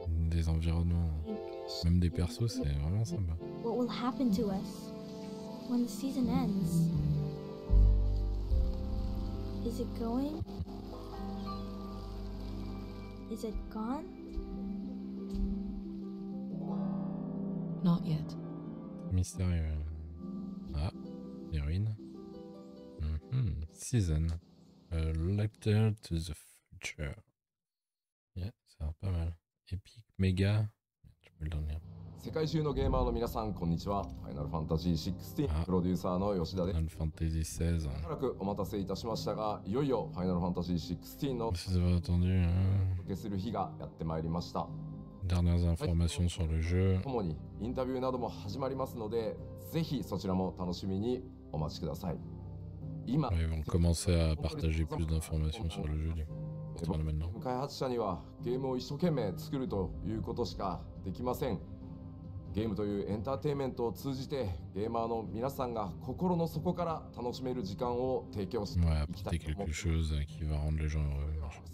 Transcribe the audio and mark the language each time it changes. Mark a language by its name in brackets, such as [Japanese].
[French] Des environnements, même des persos, c'est vraiment sympa. [English] What will happen to us when the season ends? Is it going? Is it gone? Not yet. [French] Mystérieux. Ah, les ruines. Season. [English] A letter to the future. Yeah, [French] ça va pas mal. Epic Mega. Je peux le donner. [Japanese] 世界中のゲーマーの皆さん、こんにちは。ファイナルファンタジー16プロデューサーの吉田です。ファイナルファンタジー16。しばらくお待たせいたしましたが、いよいよファイナルファンタジー16の発売を受けする日がやってまいりました。 [French] Dernières informations sur le jeu。 [Japanese] ともにインタビューなども始まりますので、ぜひそちらも楽しみにお待ちください。 [French] 今、ils vont commencer à partager plus d'informations sur le jeu. [Japanese] 開発者にはゲームを一生懸命作るということしかできません。ゲームというエンターテインメントを通じてゲーマーの皆さんが心の底から楽しめる時間を提供していきたいと思っています。